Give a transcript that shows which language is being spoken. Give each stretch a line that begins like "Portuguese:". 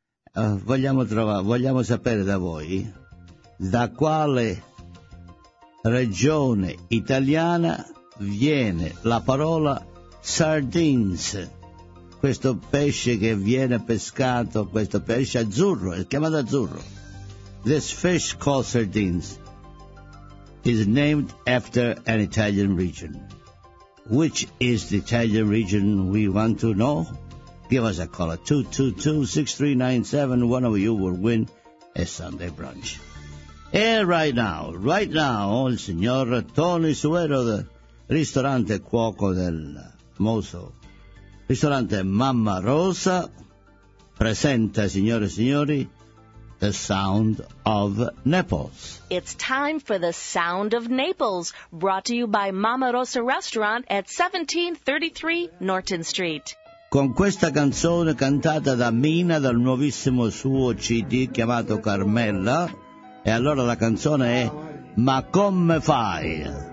Italian: Vogliamo sapere da voi da quale regione italiana viene la parola sardines, questo pesce che viene pescato, questo pesce azzurro, è chiamato azzurro.
English: This fish called sardines is named after an Italian region. Which is the Italian region we want to know? Give us a call at 222-6397. One of you will win a Sunday brunch. And right now,
Italian: il signor Tony Suero, the ristorante cuoco del famoso ristorante Mamma Rosa, presenta, signore e signori, The Sound of Naples.
English: It's time for The Sound of Naples, brought to you by Mamma Rosa Restaurant at 1733 Norton Street.
Italian: Con questa canzone cantata da Mina dal nuovissimo suo CD chiamato Carmella, e allora la canzone è Ma come fai?